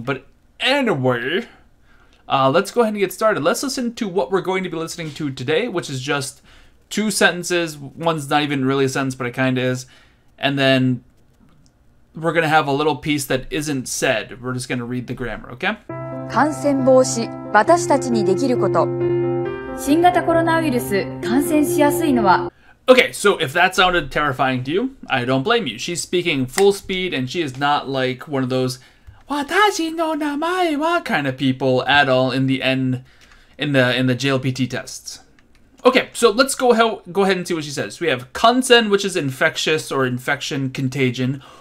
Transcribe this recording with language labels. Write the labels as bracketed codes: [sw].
[en] But anyway, let's go ahead and get started. Let's listen to what we're going to be listening to today, which is just two sentences. One's not even really a sentence, but it kind of is. And then we're going to have a little piece that isn't said. We're just going to read the grammar, okay? [ja] 感染防止、私たちにできること。新型コロナウイルス感染しやすいのは。 [en] Okay, so if that sounded terrifying to you, I don't blame you. She's speaking full speed, and she is not like one of those [ja] 私の名前は [en] kind of people at all in the end, in the JLPT tests. Okay, so let's go ahead and see what she says. So we have 感染, which is infectious or infection, contagion.